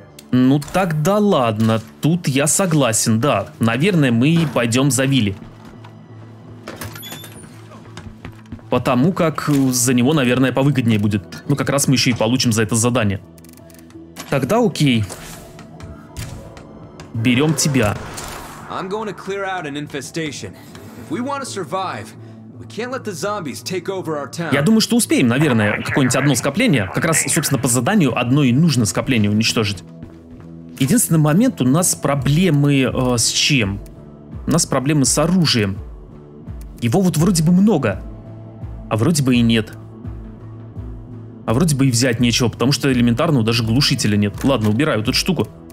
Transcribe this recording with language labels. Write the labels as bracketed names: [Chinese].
[Russian] Ну тогда ладно, тут я согласен, да. Наверное, мы пойдем за Вилли. Потому как за него, наверное, повыгоднее будет. Ну как раз мы еще и получим за это задание. Тогда окей. Берем тебя. [English] I'm going to clear out an infestation. If we want to survive, we can't let the zombies take over our town. [Russian] Я думаю, что успеем, наверное, какое-нибудь одно скопление. Как раз, собственно, по заданию одно и нужно скопление уничтожить. Единственный момент, у нас проблемы с чем? У нас проблемы с оружием. Его вот вроде бы много, а вроде бы и нет. А вроде бы и взять нечего, потому что элементарного даже глушителя нет. Ладно, убираю эту штуку.